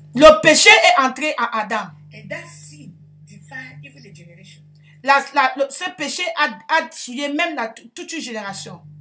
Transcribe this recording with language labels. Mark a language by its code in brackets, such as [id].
[fr] Le péché est entré à Adam. [en] And that sin defiled even the generation. [fr] Ce péché a souillé même toute une génération.